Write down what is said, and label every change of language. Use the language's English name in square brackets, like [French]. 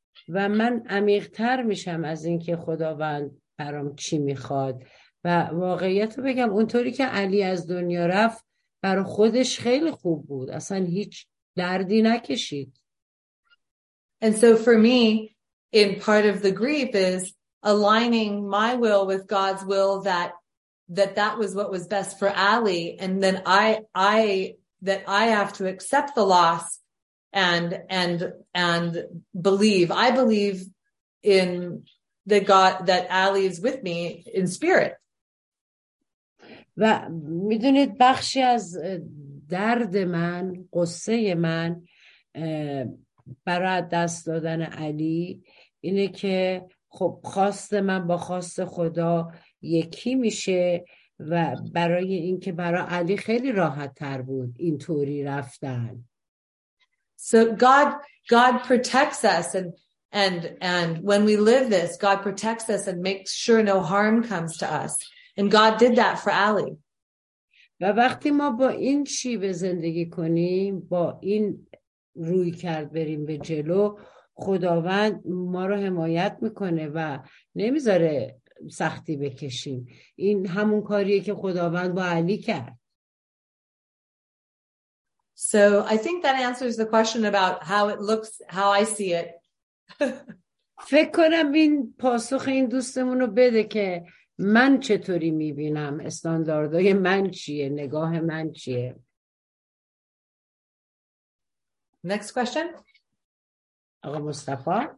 [Persian] و من عمیق‌تر میشم از اینکه خداوند برام چی میخواد و واقعیت رو بگم اونطوری که علی از دنیا رفت برای خودش خیلی خوب بود، اصلا هیچ دردی نکشید. [English] And so for me, in part of the grief is aligning my will with God's will that was what was best for Ali, and then I have to accept the loss and believe. I believe in the God that Ali is with me in spirit. [Persian] و میدونید بخشی از درد من، قصه من برای دست دادن علی اینه که خب خواست من با خواست خدا یکی میشه و برای اینکه برای علی خیلی راحت تر بود اینطوری رفتن. [English] So God protects us and when we live this, God protects us and makes sure no harm comes to us. And God did that for Ali. [Persian] و وقتی ما با این شیوه زندگی کنیم، با این روی کرد بریم به جلو، خداوند ما رو حمایت میکنه و نمیذاره سختی بکشیم. این همون کاریه که خداوند با علی کرد. [English] So I think that answers the question about how it looks, how I see it. [Persian] فکر کنم این پاسخ این دوستمون رو بده که من چطوری میبینم استانداردهای من چیه نگاه من چیه. [English] Next question. [Persian] آقا مصطفی.